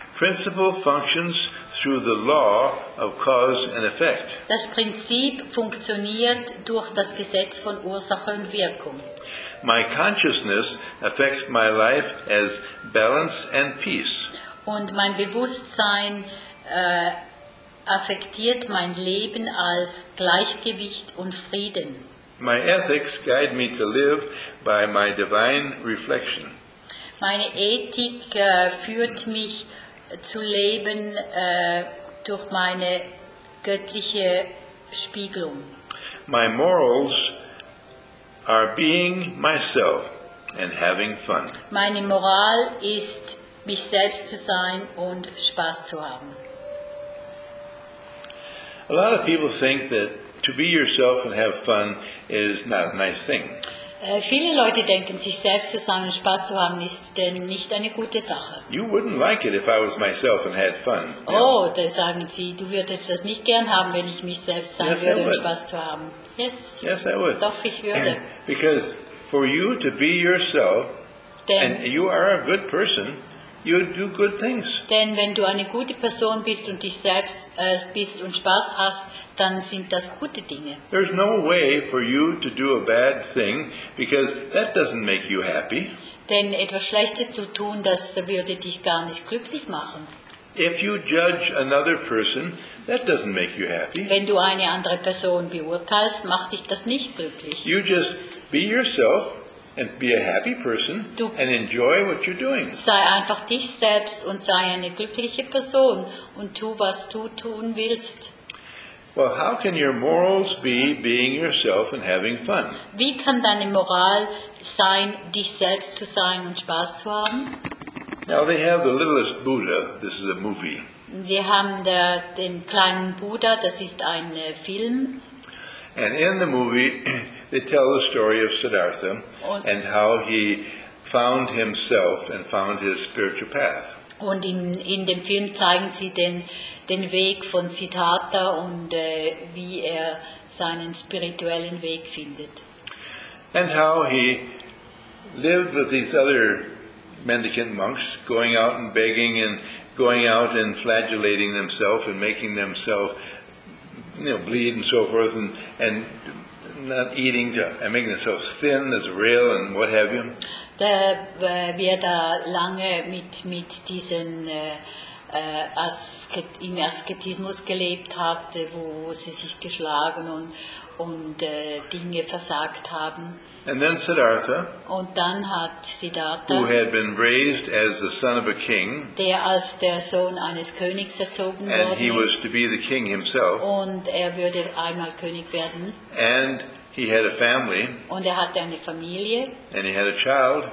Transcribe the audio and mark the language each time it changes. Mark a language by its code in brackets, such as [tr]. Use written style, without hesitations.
[en] Principle functions through the law of cause and effect. [de] Das Prinzip funktioniert durch das Gesetz von Ursache und Wirkung. [en] My consciousness affects my life as balance and peace. [de] Und mein Bewusstsein affektiert mein Leben als Gleichgewicht und Frieden. [en] My ethics guide me to live by my divine reflection. [de] Meine Ethik führt mich zu leben durch meine göttliche Spiegelung. [en] My morals are being myself and having fun. [de] Meine Moral ist, mich selbst zu sein und Spaß zu haben. [en] A lot of people think that to be yourself and have fun is not a nice thing. [de] Viele Leute denken, sich selbst zu sein und Spaß zu haben, ist denn nicht eine gute Sache. [en] You wouldn't like it if I was myself and had fun. [de] Oh, da sagen sie, du würdest das nicht gern haben, wenn ich mich selbst sein [en] yes, [de] würde, um Spaß zu haben. [en] Yes, I would. [de] Doch, ich würde. [en] Because for you to be yourself, [de] denn, [en] and you are a good person, you do good things. [de] Denn wenn du eine gute Person bist und dich selbst bist und Spaß hast, dann sind das gute Dinge. [en] There's no way for you to do a bad thing, because that doesn't make you happy. [de] Denn etwas Schlechtes zu tun, das würde dich gar nicht glücklich machen. [en] If you judge another person, that doesn't make you happy. [de] Wenn du eine andere Person beurteilst, macht dich das nicht glücklich. [en] You just be yourself and be a happy person and enjoy what you're doing. [de] Sei einfach dich selbst und sei eine glückliche Person und tu, was du tun willst. [en] Well, how can your morals be being yourself and having fun? [de] Wie kann deine Moral sein, dich selbst zu sein und Spaß zu haben? [en] Now they have the littlest Buddha. This is a movie. [de] Wir haben den kleinen Buddha, das ist ein Film. [en] And in the movie, they tell the story of Siddhartha and how he found himself and found his spiritual path. [de] Und in dem Film zeigen sie den Weg von Siddhartha und wie seinen spirituellen Weg findet. [en] And how he lived with these other mendicant monks, going out and begging and going out and flagellating themselves and making themselves, you know, bleed and so forth, and not eating and making themselves thin as a rail and what have you. [de] Wie da lange mit diesen im Asketismus gelebt hat, wo sie sich geschlagen und Dinge versagt haben. [en] And then Siddhartha, [de] und dann hat Siddhartha, [en] who had been raised as the son of a king, [de] der als der Sohn eines Königs erzogen [en] and [de] worden [en] he [de] ist, [en] was to be the king himself, [de] und würde einmal König werden, [en] and he had a family, [de] und hatte eine Familie, [en] and he had a child,